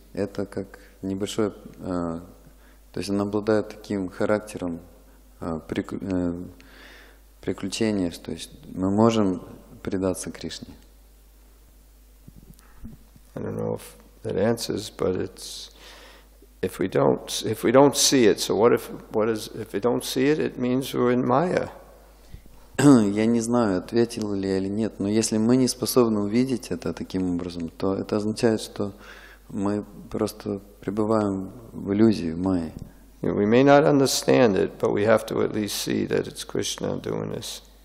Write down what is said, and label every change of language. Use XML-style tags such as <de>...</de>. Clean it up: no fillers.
<ru>Это как небольшое, то есть она обладает таким характером приключения, то есть мы можем предаться Кришне.</ru> <en>I don't know if that answers, but it's, if we don't see it, so if we don't see it, it means we're in Maya.</en> <ru>Я не знаю, ответил ли я или нет, но если мы не способны увидеть это таким образом, то это означает, что мы просто пребываем в иллюзии, в Майе.</ru> <en>We may not understand it, but we have to at least see that it's Krishna doing this.</en>